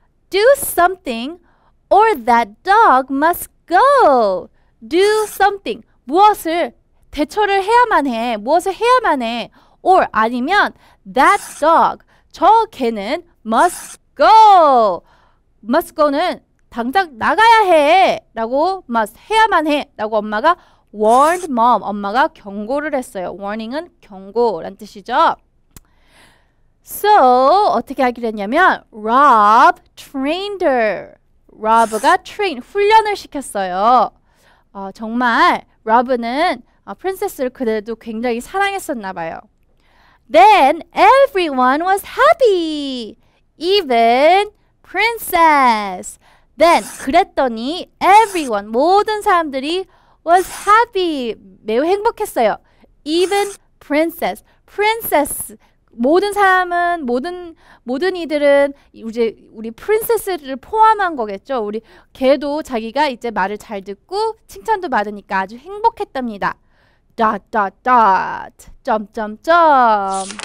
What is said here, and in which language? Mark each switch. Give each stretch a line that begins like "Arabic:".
English: Do something or that dog must go. Do something.
Korean: 무엇을 대처를 해야만 해. 무엇을 해야만 해.
English: Or
Korean: 아니면
English: that dog.
Korean: 저 개는
English: must go. Must go
Korean: 는 당장 나가야 해. 라고
English: must
Korean: 해야만 해. 라고 엄마가
English: warned mom.
Korean: 엄마가 경고를 했어요. Warning은 경고란 뜻이죠.
English: So
Korean: 어떻게 하기로 했냐면
English: Rob trained her.
Korean: Rob가 train, 훈련을 시켰어요. 정말 Rob는 프린세스를 그래도 굉장히 사랑했었나 봐요.
English: Then everyone was happy. Even princess. Then
Korean: 그랬더니
English: everyone,
Korean: 모든 사람들이
English: was happy,
Korean: 매우 행복했어요.
English: Even princess, princess,
Korean: 모든 사람은, 모든 이들은 이제 우리 프린세스를 포함한 거겠죠. 우리 걔도 자기가 이제 말을 잘 듣고 칭찬도 받으니까 아주 행복했답니다.
English: Dot, dot, dot,
Korean: 점점점.